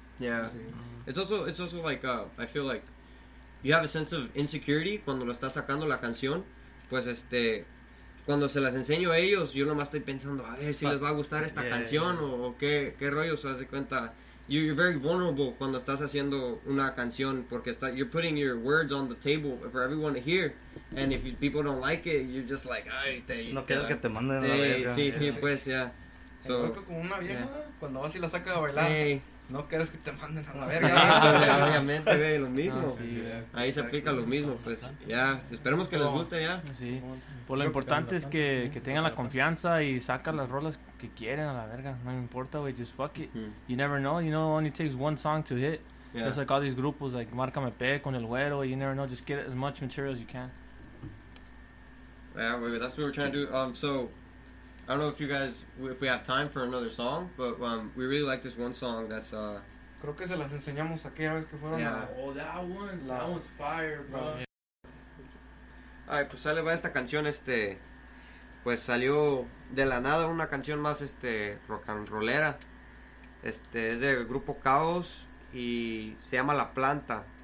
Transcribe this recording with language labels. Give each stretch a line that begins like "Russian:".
Spanish: Yeah. Mm-hmm.
English: It's also like I feel like you have a sense of insecurity
Spanish: cuando lo estás sacando la canción, pues este, cuando se las enseño a ellos, yo nomás estoy pensando, a ver si les va a gustar esta canción o qué rollo, se hace cuenta.
English: You're very vulnerable
Spanish: cuando estás haciendo una canción porque está,
English: you're putting your words on the table for everyone to hear. And if people don't like it, you're just like, ay, te...
Spanish: No quiero que te manden la verga. Sí, sí, pues, ya. So, como una vieja, cuando vas y la sacas a bailar, no quieres que te manden a la verga. Pues, obviamente, ve, lo mismo. No, sí, yeah. Ahí se aplica lo mismo, pues, ya. Yeah. Esperemos que les guste, ya. Sí. Pues lo importante es que tengan la confianza y saca las rolas que quieren a la verga. No importa, güey,
English: just fuck it. You never know. You know, only takes one song to hit. Yeah. Just like all these groups, like Márcame P con El Güero. You never know. Just get as much material as you can. Yeah, baby, that's what we're trying to do. So, I don't know if you guys, if we have time for another song, but we really like this one song that's...
Spanish: Creo que se las enseñamos aquella vez que fueron.
English: Yeah. That one's fire, bro. Yeah.
Spanish: Ay, pues sale va esta canción, pues salió de la nada, una canción más, rock and rollera. Es del grupo Caos y se llama La Planta.